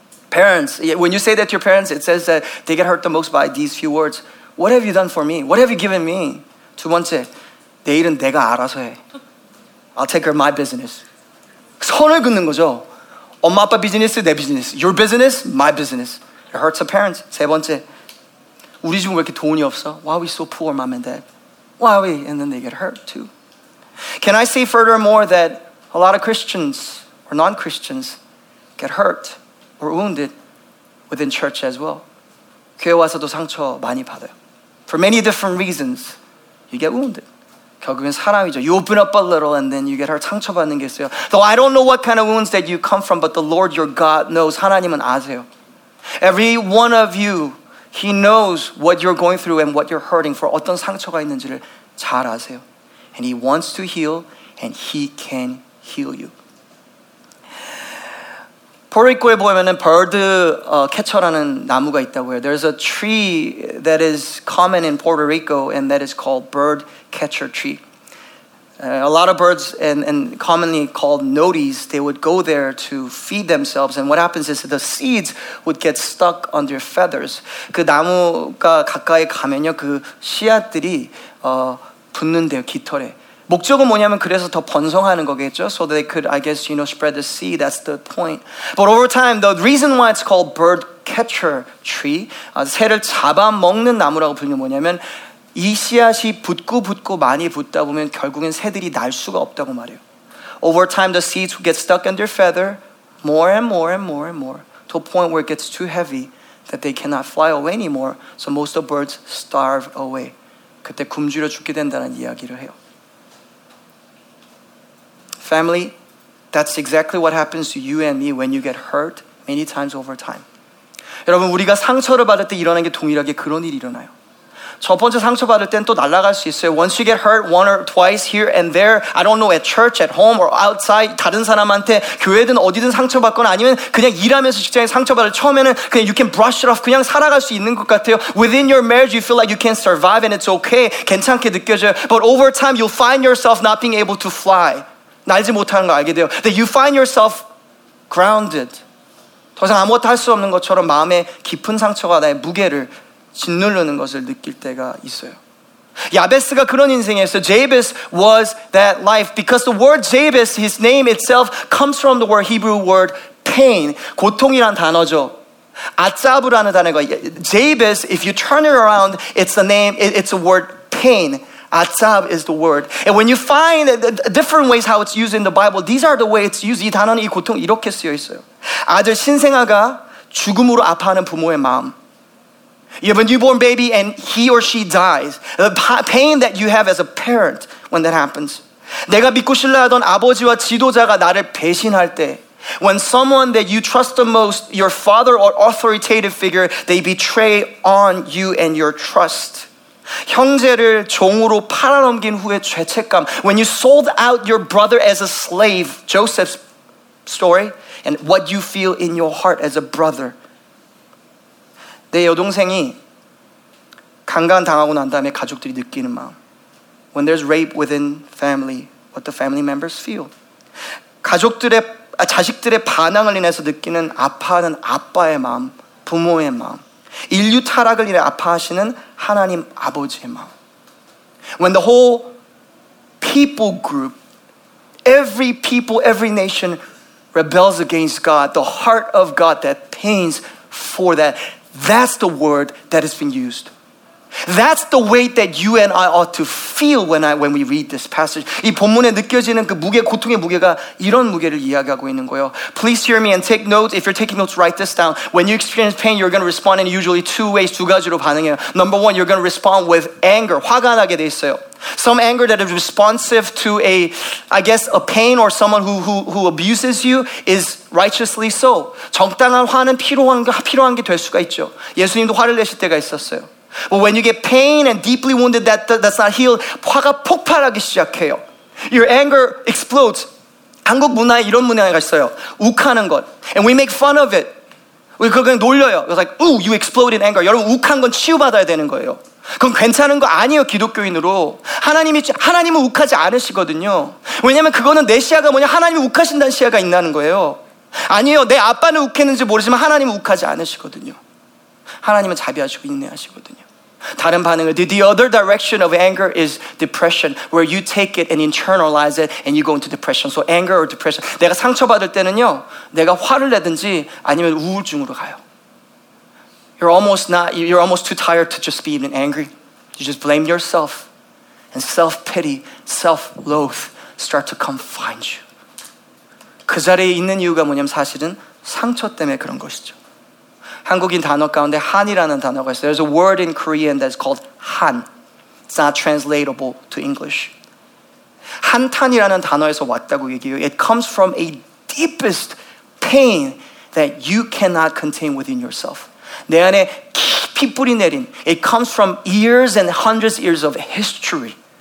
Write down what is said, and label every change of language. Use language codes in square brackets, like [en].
[en] Parents, when you say that to your parents, it says that they get hurt the most by these few words. What have you done for me? What have you given me? [ko] 두 번째, 내일은 내가 알아서 해. [en] I'll take care of my business. [ko] 선을 긋는 거죠. 엄마 아빠 비즈니스 내 비즈니스. [en] Your business, my business. It hurts the parents. [ko] 세 번째, 우리 집은 왜 이렇게 돈이 없어? [en] Why are we so poor, mom and dad? Why are we? And then they get hurt too. Can I say furthermore that a lot of Christians or non-Christians get hurt or wounded within church as well? [ko] 교회 와서도 상처 많이 받아요. [en] For many different reasons, you get wounded. [ko] 결국엔 사람이죠. [en] You open up a little and then you get hurt. [ko] 상처받는 게 있어요. [en] Though I don't know what kind of wounds that you come from, but the Lord your God knows. [ko] 하나님은 아세요. [en] Every one of you, He knows what you're going through and what you're hurting for. [ko] 어떤 상처가 있는지를 잘 아세요. [en] And He wants to heal and He can heal you. [ko] 포르투갈에 보면은 버드 캐처라는 나무가 있다고 해요. [en] There's a tree that is common in Puerto Rico and that is called bird catcher tree. A lot of birds and commonly called nodies, they would go there to feed themselves. And what happens is the seeds would get stuck on their feathers. [ko] 그 나무가 가까이 가면요, 그 씨앗들이 붙는데요, 깃털에. 목적은 뭐냐면 그래서 더 번성하는 거겠죠? [en] So they could, I guess, you know, spread the seed. That's the point. But over time, the reason why it's called bird catcher tree, [ko] 새를 잡아먹는 나무라고 불리는 뭐냐면 이 씨앗이 붙고 붙고 많이 붙다 보면 결국엔 새들이 날 수가 없다고 말해요. [en] Over time, the seeds would get stuck in their feather more and more and more and more to a point where it gets too heavy that they cannot fly away anymore. So most of the birds starve away. [ko] 그때 굶주려 죽게 된다는 이야기를 해요. [en] Family, that's exactly what happens to you and me when you get hurt many times over time. [ko] 여러분, 우리가 상처를 받을 때 일어나는 게 동일하게 그런 일이 일어나요. 첫 번째 상처받을 땐 또 날아갈 수 있어요. [en] Once you get hurt one or twice here and there, I don't know, at church, at home, or outside, [ko] 다른 사람한테 교회든 어디든 상처받거나 아니면 그냥 일하면서 직장에 상처받을 처음에는 그냥 [en] you can brush it off, [ko] 그냥 살아갈 수 있는 것 같아요. [en] Within your marriage, you feel like you can survive and it's okay, [ko] 괜찮게 느껴져요. [en] But over time, you'll find yourself not being able to fly. [ko] 날지 못하는 걸 알게 돼요. [en] That you find yourself grounded. [ko] 더 이상 아무것도 할 수 없는 것처럼 마음의 깊은 상처가 나의 무게를 짓누르는 것을 느낄 때가 있어요. 야베스가 그런 인생이었어요. [en] Jabez was that life. Because the word Jabez, his name itself, comes from the word Hebrew word pain. [ko] 고통이란 단어죠. 아짜부라는 단어가. [en] Jabez, if you turn it around, it's a name, it's a word pain. Atzab is the word. And when you find different ways how it's used in the Bible, these are the way it's used. [ko] 이 단어는 이 고통 이렇게 쓰여 있어요. 아들 신생아가 죽음으로 아파하는 부모의 마음. [en] You have a newborn baby and he or she dies. The pain that you have as a parent when that happens. [ko] 내가 믿고 신뢰하던 아버지와 지도자가 나를 배신할 때. [en] When someone that you trust the most, your father or authoritative figure, they betray on you and your trust. [ko] 형제를 종으로 팔아넘긴 후의 죄책감. [en] When you sold out your brother as a slave, Joseph's story, and what you feel in your heart as a brother. [ko] 내 여동생이 강간당하고 난 다음에 가족들이 느끼는 마음. [en] When there's rape within family, what the family members feel. [ko] 가족들의, 자식들의 반항을 인해서 느끼는 아파하는 아빠의 마음, 부모의 마음. 인류 타락을 인해 아파하시는 하나님 아버지의 마음. [en] When the whole people group, every people, every nation rebels against God, the heart of God that pains for that, that's the word that has been used. That's the weight that you and I ought to feel when we read this passage. [ko] 이 본문에 느껴지는 그 무게, 고통의 무게가 이런 무게를 이야기하고 있는 거예요. [en] Please hear me and take notes. If you're taking notes, write this down. When you experience pain, you're going to respond in usually two ways, [ko] 두 가지로 반응해요. [en] Number one, you're going to respond with anger. [ko] 화가 나게 돼 있어요. [en] Some anger that is responsive to a, I guess, a pain or someone who abuses you is righteously so. [ko] 정당한 화는 필요한 게 될 수가 있죠. 예수님도 화를 내실 때가 있었어요. [en] But when you get pain and deeply wounded, that's not healed, [ko] 화가 폭발하기 시작해요. [en] Your anger explodes. [ko] 한국 문화에 이런 문화가 있어요. 욱하는 것. [en] And we make fun of it. [ko] 우리 그거 그냥 놀려요. [en] It's like, ooh, you explode in anger. [ko] 여러분, 욱한 건 치유받아야 되는 거예요. 그건 괜찮은 거 아니에요, 기독교인으로. 하나님은 욱하지 않으시거든요. 왜냐면 그거는 내 시야가 뭐냐? 하나님이 욱하신다는 시야가 있다는 거예요. 아니에요. 내 아빠는 욱했는지 모르지만 하나님은 욱하지 않으시거든요. 하나님은 자비하시고 인내하시거든요. 다른 반응은 [en] the other direction of anger is depression, where you take it and internalize it and you go into depression. So anger or depression. [ko] 내가 상처받을 때는요, 내가 화를 내든지 아니면 우울증으로 가요. [en] You're almost too tired to just be even angry. You just blame yourself. and self-pity, self-loath start to come find you. [ko] 그 자리에 있는 이유가 뭐냐면 사실은 상처 때문에 그런 것이죠. 한국인 단어 가운데 한이라는 단어가 있어요. [en] There's a word in Korean that's called 한. It's not translatable to English. [ko] 한탄이라는 단어에서 왔다고 얘기해요. [en] It comes from a deepest pain that you cannot contain within yourself. [ko] 내 안에 깊이 뿌리 내린, [en] it comes from years and hundreds of years of history.